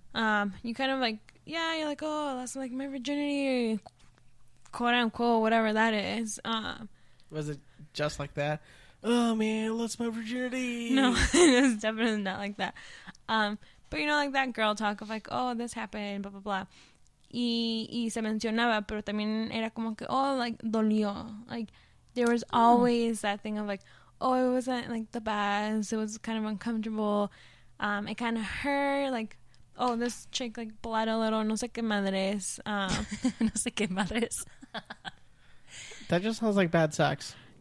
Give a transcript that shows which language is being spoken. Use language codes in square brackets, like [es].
[en] You kind of like, yeah, you're like, oh, that's like my virginity, quote unquote, whatever that is. Was it just like that? Oh man, lost my virginity. No, it was definitely not like that. But you know, like that girl talk of like, oh, this happened, blah blah blah. [es] Y se mencionaba, pero también era como que, [en] oh, like, [es] dolió. [en] Like, there was always that thing of like, oh, it wasn't like the best. It was kind of uncomfortable. It kind of hurt. Like, oh, this chick like bled a little. [es] No sé qué madres. no sé qué madres. [en] That just sounds like bad sex.